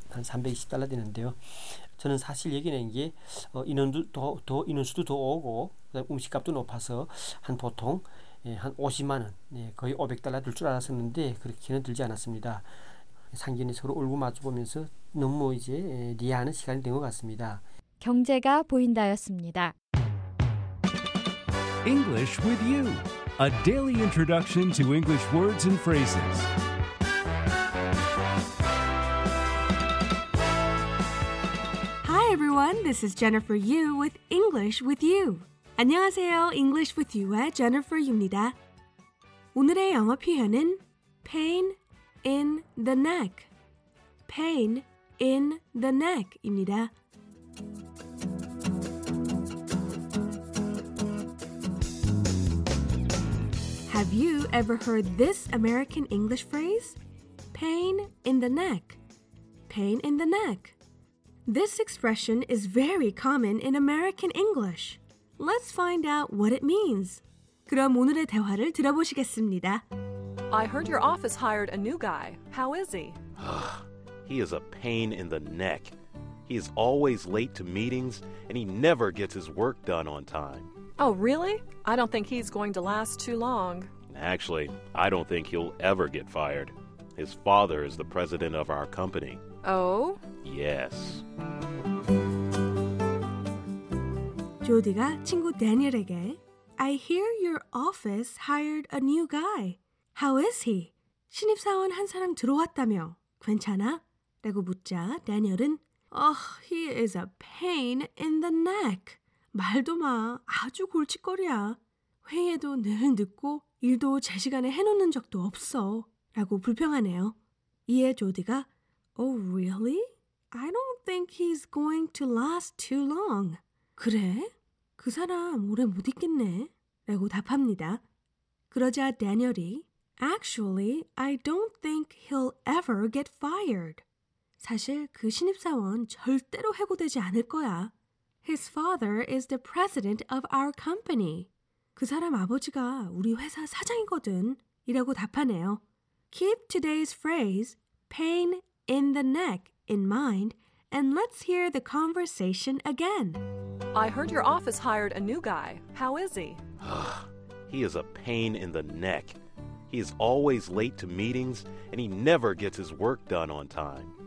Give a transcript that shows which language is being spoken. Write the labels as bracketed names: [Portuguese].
[Korean] 한 320달러 되는데요. 저는 사실 얘기하는 게 인원도 더 인원수도 더 오고 음식값도 높아서 한 보통 한 50만 원, 거의 500달러 들 줄 알았었는데 그렇게는 들지 않았습니다. 상견례 서로 얼굴 마주보면서 너무 이제 리아하는 시간이 된 것 같습니다. 경제가 보인다였습니다. [English] English with you, a daily introduction to English words and phrases. [Korean] 여러분, [English] this is Jennifer Yu with English with You. [Korean] 안녕하세요, English with You의 Jennifer Yu입니다. 오늘의 영어 표현은 [English] pain in the neck, pain in the neck [Korean] 입니다. [English] Have you ever heard this American English phrase? Pain in the neck, pain in the neck. This expression is very common in American English. Let's find out what it means. [Korean] 그럼 오늘의 대화를 들어보시겠습니다. [English] I heard your office hired a new guy. How is he? He is a pain in the neck. He is always late to meetings, and he never gets his work done on time. Oh, really? I don't think he's going to last too long. Actually, I don't think he'll ever get fired. His father is the president of our company. Oh? Yes. [Korean] 조디가 친구 대니엘에게 [English] I hear your office hired a new guy. How is he? [Korean] 신입사원 한 사람 들어왔다며 괜찮아? 라고 묻자 대니엘은 [English] Oh, he is a pain in the neck. [Korean] 말도 마, 아주 골칫거리야. 회의에도 늘 늦고 일도 제 시간에 해놓는 적도 없어. 라고 불평하네요. 이에 조디가 [English] Oh, really? I don't think he's going to last too long. [Korean] 그래? 그 사람 오래 못 있겠네. 라고 답합니다. 그러자 대니얼이 [English] Actually, I don't think he'll ever get fired. [Korean] 사실 그 신입사원 절대로 해고되지 않을 거야. [English] His father is the president of our company. [Korean] 그 사람 아버지가 우리 회사 사장이거든. 이라고 답하네요. [English] Keep today's phrase, pain in the neck in mind, and let's hear the conversation again. I heard your office hired a new guy. How is he? He is a pain in the neck. He is always late to meetings, and he never gets his work done on time.